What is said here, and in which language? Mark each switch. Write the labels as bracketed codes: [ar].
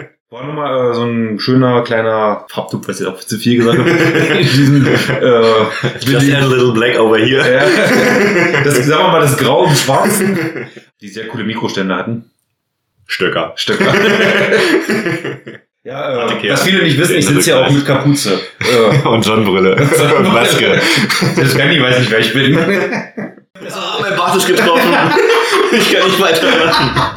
[de] War nochmal so ein schöner, kleiner Farbtupf, was ich auch zu viel gesagt habe. Diesen, [en] just add a little black over here. [de] Das, sagen wir mal, das Grau und Schwarzen, die sehr coole Mikrostände hatten. Stöcker. Ja, was viele nicht wissen, ich sitze ja auch mit Kapuze. Und Sonnenbrille. Und Maske. Das kann ich, weiß nicht, wer ich bin. Ah, mein Bart ist getroffen. Ich kann nicht weiter lachen.